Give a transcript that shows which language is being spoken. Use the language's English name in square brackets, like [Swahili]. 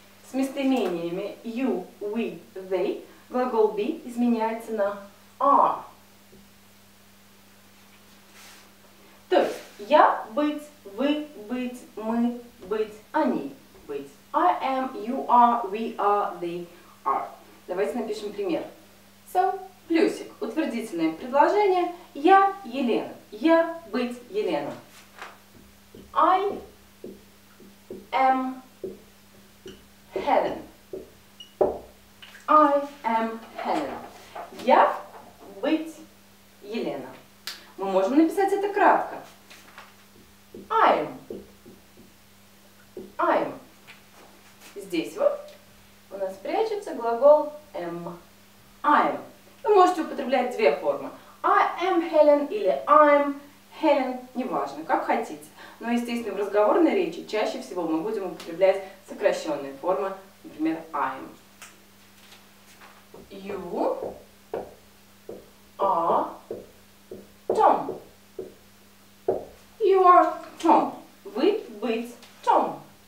[Russian] С местоимениями you, we, they глагол be изменяется на are. То есть я быть, вы быть, мы быть, они быть. [English] I am, you are, we are, they are. [Russian] Давайте напишем пример. So, плюсик. Утвердительное предложение. Я Елена. Я быть Елена. [English] I am Helen. I am Helen. [Russian] Я быть Елена. Мы можем написать это кратко. [English] I am. [Russian] Здесь вот у нас прячется глагол am. [English] I am. [Russian] Вы можете употреблять две формы. [English] I am Helen или I'm Helen. [Russian] Неважно, как хотите. Но, естественно, в разговорной речи чаще всего мы будем употреблять сокращенные формы. Например, I'm. [English] You are Tom. You are Tom. [Russian] Вы быть Tom.